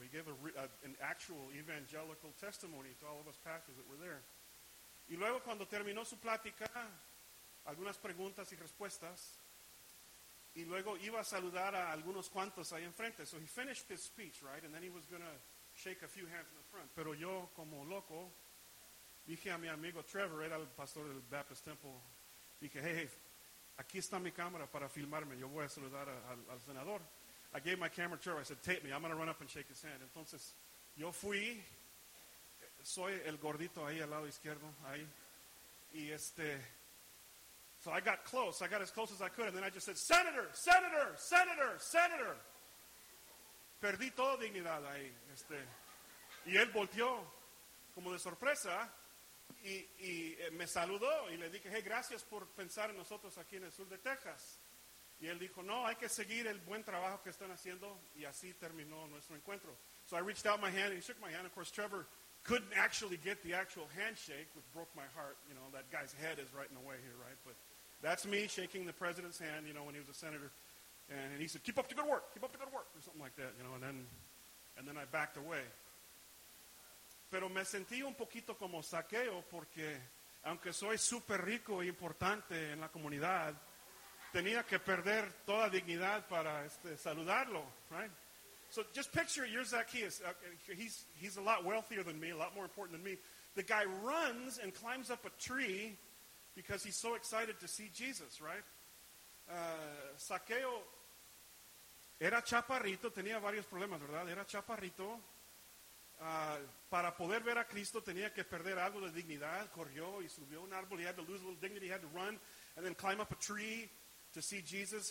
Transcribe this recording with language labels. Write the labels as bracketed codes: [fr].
[en] He gave an actual evangelical testimony to all of us pastors that were there. [es] Y luego cuando terminó su plática, algunas preguntas y respuestas, y luego iba a saludar a algunos cuantos ahí enfrente. [en] So he finished his speech, right? And then he was going to shake a few hands in the front. [es] Pero yo, como loco, dije a mi amigo Trevor, era el pastor del Baptist Temple, dije, hey, aquí está mi cámara para filmarme. Yo voy a saludar al senador. [en] I gave my camera to Trevor. I said, tape me. I'm going to run up and shake his hand. [es] Entonces, yo fui, soy el gordito ahí al lado izquierdo, ahí, y este... [en] So I got close. I got as close as I could. And then I just said, Senator, Senator, Senator, Senator. [es] Perdí toda dignidad ahí. Y él volteó como de sorpresa y me saludó. Y le dije, hey, gracias por pensar en nosotros aquí en el sur de Texas. Y él dijo, no, hay que seguir el buen trabajo que están haciendo. Y así terminó nuestro encuentro. [en] So I reached out my hand and he shook my hand. Of course, Trevor couldn't actually get the actual handshake, which broke my heart. You know, that guy's head is right in the way here, right? But that's me shaking the president's hand, you know, when he was a senator. And he said, keep up the good work, keep up the good work, or something like that, you know. And then I backed away. [es] Pero me sentí un poquito como Zaqueo, porque aunque soy súper rico e importante en la comunidad, tenía que perder toda dignidad para saludarlo, right? [en] So just picture, you're Zacchaeus. He's a lot wealthier than me, a lot more important than me. The guy runs and climbs up a tree because he's so excited to see Jesus, right? [es] Zaqueo era chaparrito, tenía varios problemas, ¿verdad? Era chaparrito. Para poder ver a Cristo tenía que perder algo de dignidad. [en] Corrió y subió un árbol. He had to lose a little dignity. He had to run and then climb up a tree to see Jesus.